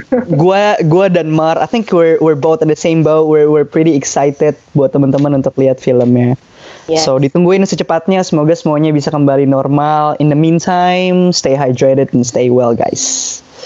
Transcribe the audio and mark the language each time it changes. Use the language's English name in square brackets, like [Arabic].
[Indonesian] Gua dan [English] Mar, I think we're both in the same boat. We're pretty excited [Indonesian] buat teman-teman untuk lihat filmnya. [English] Yes. So [Indonesian] ditungguin secepatnya. Semoga semuanya bisa kembali normal. [English] In the meantime, stay hydrated and stay well, guys.